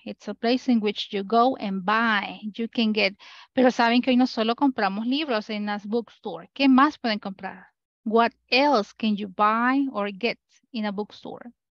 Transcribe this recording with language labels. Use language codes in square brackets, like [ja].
[en] It's a place in which you go and buy. You can get. [es] Pero saben que hoy no solo compramos libros en las bookstore. ¿Qué más pueden comprar? [en] What else can you buy or get in a bookstore?